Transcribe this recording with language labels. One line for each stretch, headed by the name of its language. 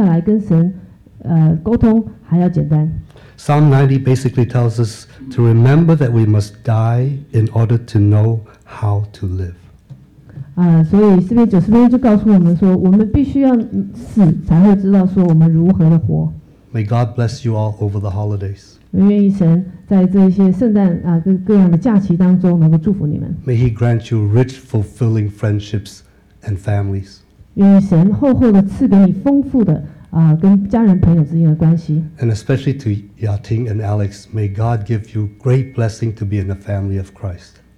Chinese: 也就是说，忙碌的去侍奉神呢，比你安静下来跟神沟通还要简单。
English: Psalm 90 basically tells us to remember that we must die in order to know how to live.
Chinese: 所以诗篇九十篇就告诉我们说，我们必须要死，才会知道说我们如何的活。
English: May God bless you all over the holidays.
Chinese: 愿神在这些圣诞各样的假期当中能够祝福你们。
English: May He grant you rich, fulfilling friendships and families.
Chinese: 愿神厚厚的赐给你丰富的跟家人朋友之间的关系。
English: And especially to Yating and Alex, may God give you great blessing to be in the family of Christ.